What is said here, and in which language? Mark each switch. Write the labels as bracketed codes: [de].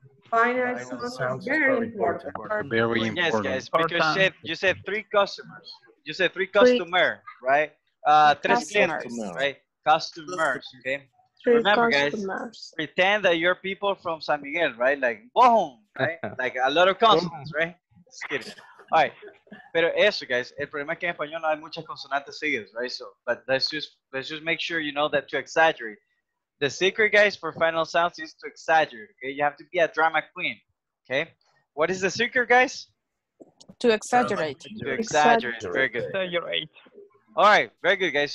[en] Final sounds are very important. Very important. Yes, guys, because you said three customers. You said three customer, three. Right? [es] Tres clientes, [en] right? Customers, okay? Three remember, customers. Guys, pretend that you're people from San Miguel, right? Like, boom, right? Like a lot of consonants, right? All right, [es] pero eso, guys, el problema es que en español no hay muchas consonantes seguidas, right? [en] So, but let's just make sure you know that to exaggerate. The secret, guys, for final sounds is to exaggerate, okay? You have to be a drama queen, okay? What is the secret, guys? To exaggerate. To exaggerate, very good. Exaggerate. All right, very good, guys.